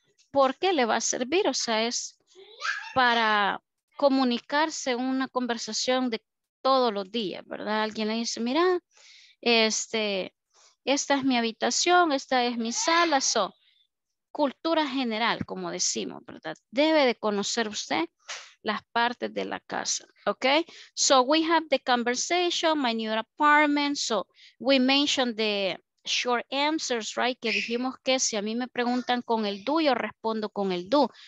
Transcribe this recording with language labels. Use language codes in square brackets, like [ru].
[es] ¿Por qué le va a servir? O sea, es para comunicarse en una conversación de todos los días, ¿verdad? Alguien le dice, mira, esta es mi habitación, esta es mi sala, so, cultura general, como decimos, ¿verdad? Debe de conocer usted las partes de la casa, ¿ok? [en] So, we have the conversation, my new apartment, so, we mentioned the... Short answers, right? [es] Que dijimos que si a mí me preguntan con el do, yo respondo con el do.